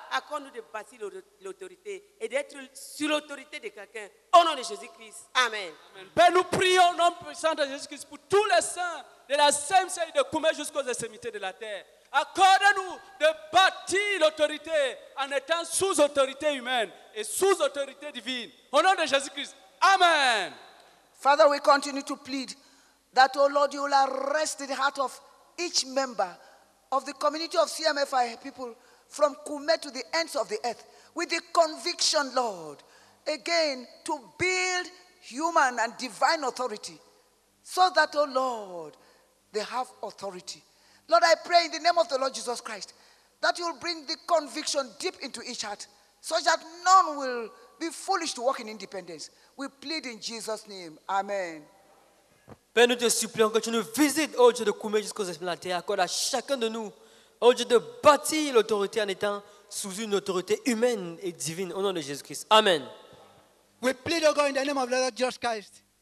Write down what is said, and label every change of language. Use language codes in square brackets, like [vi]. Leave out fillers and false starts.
[fr] Accorde-nous de bâtir l'autorité et d'être sur l'autorité de quelqu'un, au nom de Jésus-Christ. Amen. Amen. Ben, nous prions au nom puissant de Jésus-Christ pour tous les saints de la CMC et de Kume jusqu'aux extrémités de la terre. Accorde-nous de bâtir l'autorité en étant sous autorité humaine et sous autorité divine. Au nom de Jésus-Christ. Amen. [en] Father, we continue to plead that, oh Lord, you will arrest the heart of each member of the community of CMFI people from Kume to the ends of the earth with the conviction, Lord, again, to build human and divine authority so that, oh Lord, they have authority. Lord, I pray in the name of the Lord Jesus Christ that you will bring the conviction deep into each heart so that none will be foolish to walk in independence. We plead in Jesus' name. Amen. [fr] Père, nous te supplions que tu nous visites, ô Dieu de Koumé, jusqu'aux esprits de la terre. Accorde à chacun de nous, ô Dieu, de bâtir l'autorité en étant sous une autorité humaine et divine. Au nom de Jésus-Christ. Amen. [en] We plead, oh God, in the name of the Lord Jesus Christ.